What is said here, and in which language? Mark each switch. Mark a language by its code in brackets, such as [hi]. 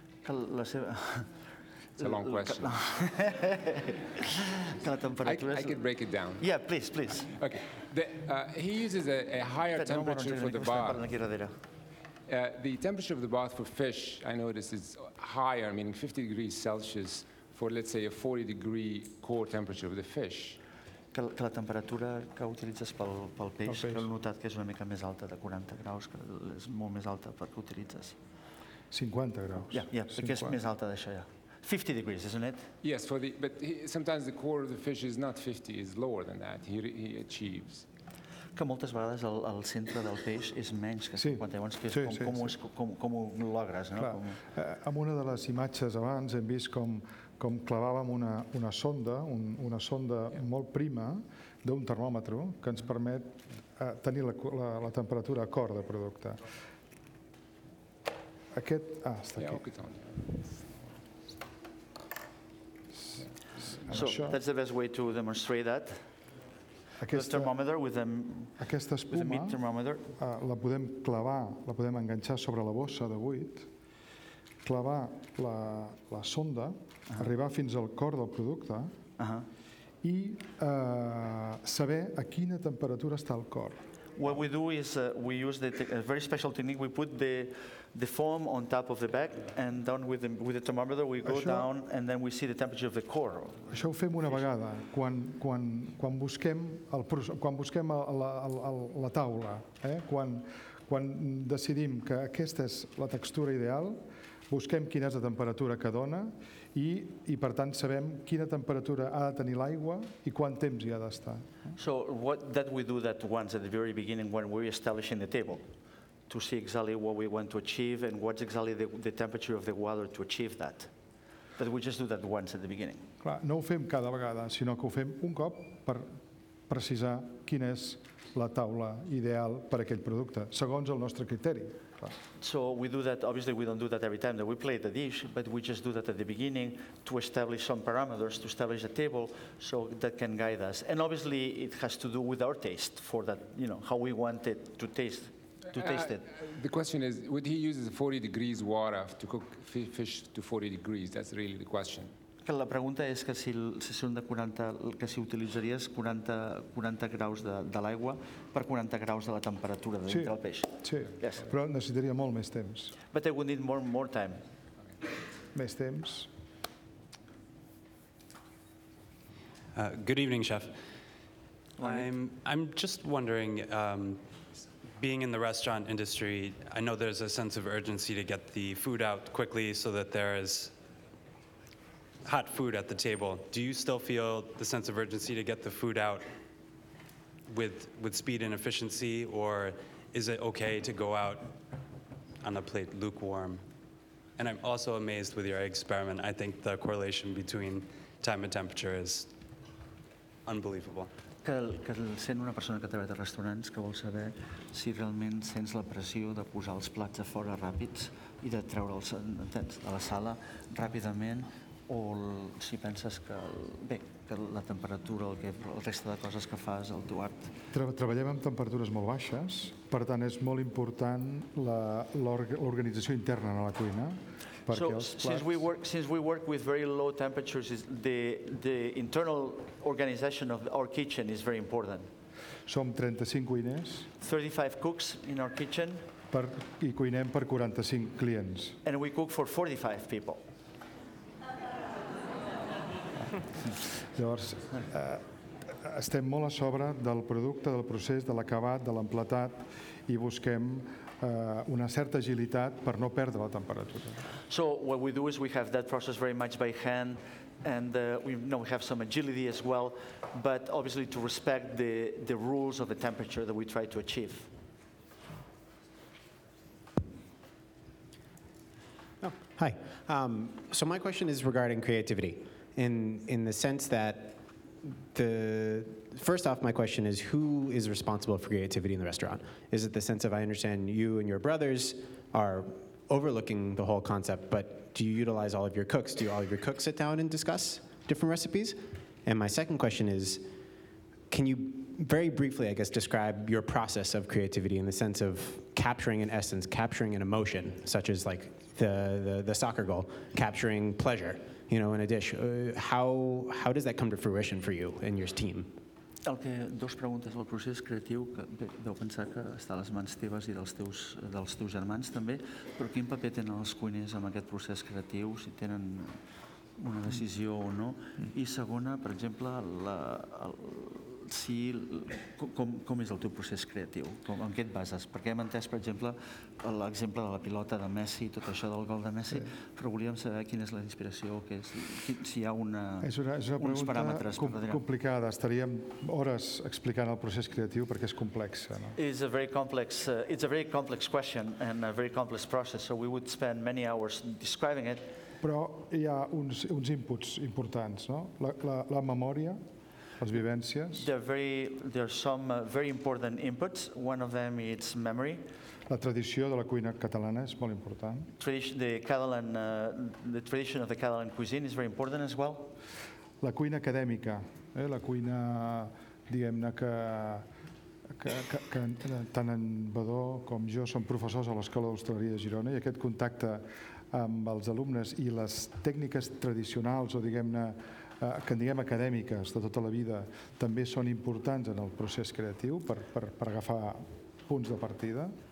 [en] It's a long question. I could break it down. Yeah, please. Okay. He uses a higher temperature for the bath. The temperature of the bath for fish, I noticed, is higher, meaning 50 degrees Celsius, for, let's say, a 40-degree core temperature of the fish. [ca] que la temperatura que utilitzes pel pel peix, peix. Que he notat que és una mica més alta de 40 graus, que és molt més alta perquè utilitzes 50 graus. Ja, [en] yeah, [ca] ja, yeah, perquè és més alta d'això ja. [en] 50 degrees, isn't it? Yes, for the but sometimes the core of the fish is not 50, is lower than that. He achieves. [ca] Que moltes vegades el centre del peix és menys que 50, llavors que és sí, com sí, com ho logres, no? Clar. Com... amb una de les imatges abans hem vist com clavàvem una sonda, una sonda molt prima d'un termòmetre que ens permet tenir la temperatura a cor de producte. Aquest, està aquí. [en] So, that's the best way to demonstrate that. [ca] Aquesta [en] thermometer with a, [ca] aquesta espuma, [en] with a meat thermometer. [ca] La podem clavar, la podem enganxar sobre la bossa de buit, clavar la sonda, uh-huh, arribar fins al cor del producte, uh-huh, i saber a quina temperatura està el cor. [en] What we do is we use a very special technique. We put the foam on top of the bag, and down with the thermometer we go down, and then we see the temperature of the core. [ca] Això ho fem una vegada quan busquem la taula, quan decidim que aquesta és la textura ideal, busquem quina és la temperatura que dona i per tant sabem quina temperatura ha de tenir l'aigua i quant temps hi ha d'estar. [en] So what that we do that once at the very beginning when we're establishing the table to see exactly what we want to achieve and what's exactly the temperature of the water to achieve that. But we just do that once at the beginning. [ca] Clar, no ho fem cada vegada, sinó que ho fem un cop per precisar quina és la taula ideal per a aquell producte, segons el nostre criteri. [en] So we do that, obviously we don't do that every time that we plate the dish, but we just do that at the beginning to establish some parameters, to establish a table so that can guide us. And obviously it has to do with our taste for that, you know, how we want it to taste. The question is, would he use 40 degrees water to cook fish to 40 degrees? That's really the question. [ca] Que la pregunta és que si són de 40, que si utilitzaries 40 graus de l'aigua per 40 graus de la temperatura de dintre del peix. Sí, [en] yes. [ca] Però necessitaria molt més temps. [en] But I would need more time. [ca] Més temps. [en] Good evening, chef. I'm just wondering, being in the restaurant industry, I know there's a sense of urgency to get the food out quickly so that there is hot food at the table. Do you still feel the sense of urgency to get the food out with speed and efficiency, or is it okay to go out on a plate lukewarm? And I'm also amazed with your experiment. I think the correlation between time and temperature is unbelievable. [ca] Que sent una persona que treballa a restaurants que vol saber si realment sents la pressió de posar els plats a fora ràpids i de treure'ls de la sala ràpidament o si penses que bé, que la temperatura, el que la resta de coses que fas al teu art. Treballem amb temperatures molt baixes, per tant és molt important l'organització interna a la cuina. [en] So since we work with very low temperatures, the internal organization of our kitchen is very important. [ca] Som 35 cuiners. [en] 35 cooks in our kitchen. [ca] I cuinem per 45 clients. [en] And we cook for 45 people. [ca] Llavors, estem molt a sobre del producte, del procés, de l'acabat, de l'emplatat i busquem una certa agilitat per no perdre la temperatura. [en] So what we do is we have that process very much by hand, and we have some agility as well, but obviously to respect the rules of the temperature that we try to achieve. Oh, hi. So my question is regarding creativity, in the sense that first off, my question is, who is responsible for creativity in the restaurant? Is it the sense of, I understand you and your brothers are overlooking the whole concept, but do you utilize all of your cooks? Do all of your cooks sit down and discuss different recipes? And my second question is, can you very briefly, I guess, describe your process of creativity in the sense of capturing an essence, capturing an emotion, such as like the soccer goal, capturing pleasure, you know, in a dish? How does that come to fruition for you and your team? [ca] El que dos preguntes del procés creatiu, que bé, deu pensar que està a les mans teves i dels teus germans també, però quin paper tenen els cuiners en aquest procés creatiu, si tenen una decisió o no. I segona, per exemple, com és el teu procés creatiu? En què et bases? Perquè hem entès, per exemple, l'exemple de la pilota de Messi, tot això del gol de Messi, però volíem saber quina és la inspiració, si hi ha uns paràmetres. És una pregunta complicada. Estaríem hores explicant el procés creatiu perquè és complexa. [en] It's a very complex question and a very complex process, so we would spend many hours describing it. [ca] Però hi ha uns inputs importants, no? La memòria, les vivències. [en] There are some very important inputs. One of them is memory. [ca] La tradició de la cuina catalana és molt important. [en] The tradition of the Catalan cuisine is very important as well. [ca] La cuina acadèmica, la cuina, diguem-ne, que tant en Badó com jo som professors a l'Escola d'Hostaleria de Girona, i aquest contacte amb els alumnes i les tècniques tradicionals, o diguem-ne, que en diguem acadèmiques de tota la vida, també són importants en el procés creatiu per agafar punts de partida.